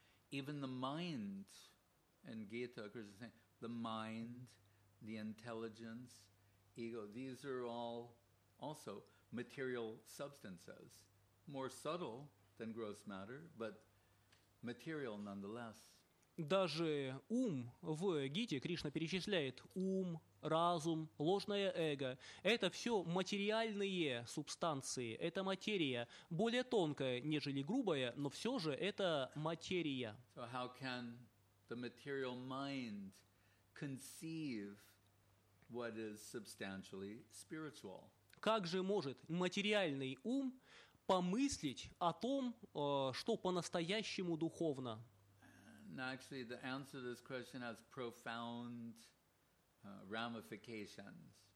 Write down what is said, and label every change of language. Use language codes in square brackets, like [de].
[en] Even the mind, in Gita, Krishna is saying, the mind, the intelligence, ego, these are all also material substances, more subtle than gross matter, but material nonetheless. [ru] Даже ум в Гите Кришна перечисляет ум, разум, ложное эго. Это все материальные субстанции, это материя. Более тонкая, нежели грубая, но все же это материя. [en] So how can the material mind conceive what is substantially spiritual? [ru] Как же может материальный ум помыслить о том, что по-настоящему духовно? [en] Actually, the answer to this question has profound ramifications.